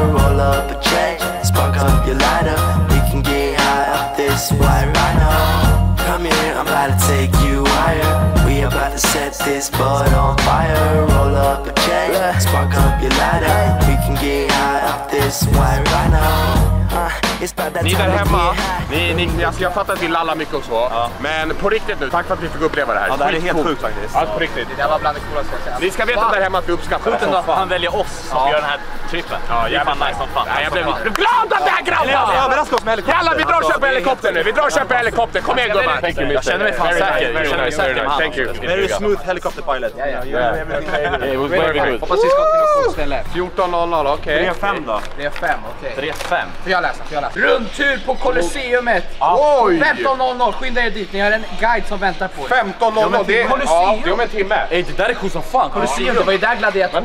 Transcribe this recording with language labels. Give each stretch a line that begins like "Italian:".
English: Roll up a check, spark up your lighter. We can get high up this wire right now. Come here, I'm about to take you higher. We about to set this butt on fire. Roll up a check, spark up your lighter. We can get high up this wire right now.
Swedish: Ni där hemma, jag fattar att ni lallar mycket också, ja. Men på riktigt nu, tack för att vi fick uppleva det här. Ja, det här är helt sjukt faktiskt. Allt på riktigt. Det var bland det coolaste jag sett. Ni ska veta där hemma att vi uppskattar det. Skjuten att han väljer oss att göra den här trippen. Ja, jävla nice som fan. Nej, jag blev lite glad av det här grabbar! Jag vill överraska oss med helikopter. Jalla, vi drar och köper helikopter nu, Kom igen gubbar. Jag känner mig fan säker,
English: Thank you. Very smooth helicopter pilot. Yeah, yeah. It was very good.
Swedish: Hoppas vi ska till något ställe. 14.00, okej. 3.5 då. 3.5, okej. 3.5. Får jag läsa. Rundtur på Colosseumet. Oj! 15.00, skynda er dit, ni har en guide som väntar på er. 15.00, det är om en timme. Ej, det där är sjukt som fan. Colosseum, det var ju där gladiatorn.